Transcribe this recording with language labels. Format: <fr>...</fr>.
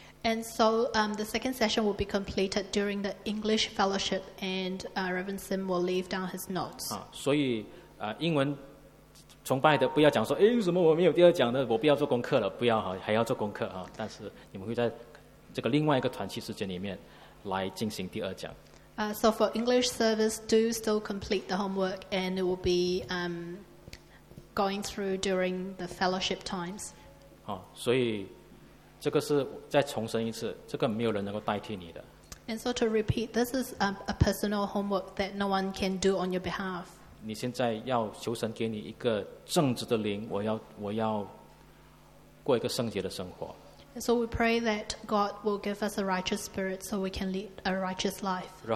<en>And so the second session will be completed during the English fellowship, and Reverend Sim will leave down his notes.</en> <zh>所以英文崇拜的不要讲说，哎，为什么我没有第二讲呢？我不要做功课了，不要哈，还要做功课哈。但是你们会在这个另外一个团契时间里面来进行第二讲。</zh> <en>So for English service, do still complete the homework, and it will be going through during the fellowship times.</en> <zh>所以。这个是再重申一次，这个没有人能够代替你的。</zh> <en>And so to repeat, this is a personal homework that no one can do on your behalf.</en> <zh>你现在要求神给你一个正直的灵，我要过一个圣洁的生活。</zh> <en>And so we pray that God will give us a righteous spirit so we can lead a righteous life.</en>